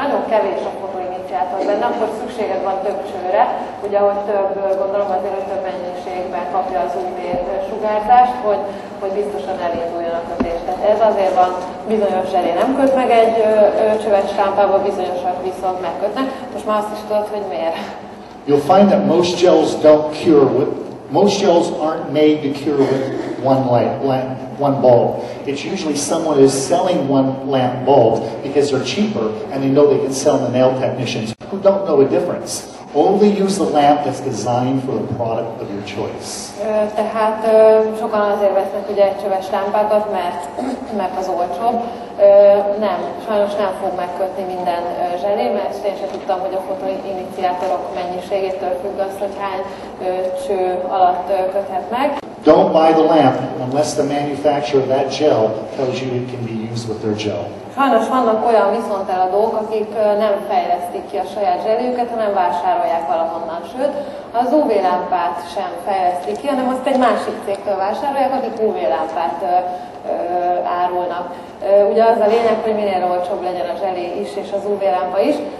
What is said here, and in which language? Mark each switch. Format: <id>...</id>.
<hu>Ha nagyon kevés a fotoiniciátor benne, akkor szükséged van több csőre, ugye ahogy több, gondolom azért, hogy több mennyiségben kapja az UV sugárzást, hogy biztosan elinduljon a kötés. Tehát ez azért van, bizonyos zselé nem köt meg egy csöves lámpába, bizonyosak viszont megkötnek. Most már azt is tudod, hogy miért.</hu> <en>You'll find that most gels don't cure with, most gels aren't made to cure with one lamp, one bulb. It's usually someone who's selling one lamp bulb because they're cheaper and they know they can sell the nail technicians who don't know a difference. Only use the lamp that's designed for the product of your choice.</en> <hu>Tehát sokan azért vesznek ugye egy csöves lámpákat, mert az olcsóbb. Nem, sajnos nem fog megkötni minden zselé, mert én sem tudtam, hogy a fotoiniciátorok mennyiségétől függ az, hogy hány cső alatt köthet meg.</hu> <en>Don't buy the lamp unless the manufacturer of that gel tells you it can be used with their gel.</en> <hu>Sajnos vannak olyan viszonteladók, akik nem fejlesztik ki a saját zseléjüket, hanem vásárolják valahonnan. Sőt, az UV lámpát sem fejlesztik ki, hanem azt egy másik cégtől vásárolják, akik UV lámpát árulnak. Ugye az a lényeg, hogy minél olcsóbb legyen a zselé is és az UV lámpa is.</hu>